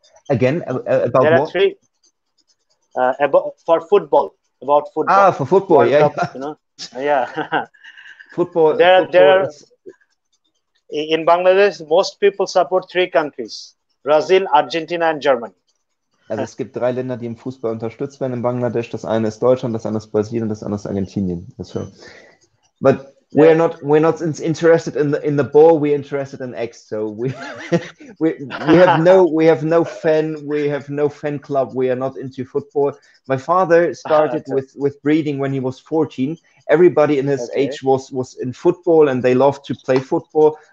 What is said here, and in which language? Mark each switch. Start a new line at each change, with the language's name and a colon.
English: Again, about there what? Are three, about football. Ah, for football, World Cup, yeah. Football. In Bangladesh, most people support three countries, Brazil, Argentina and Germany.
German: Also es gibt drei Länder, die im Fußball unterstützt werden in Bangladesch. Das eine ist Deutschland, das andere ist Brasilien, das andere ist Argentinien.
English: So. But we're not interested in the ball, we're interested in X. So we have no fan, we have no fan club, we are not into football. My father started with breeding when he was 14. Everybody in his age was in football and they loved to play football.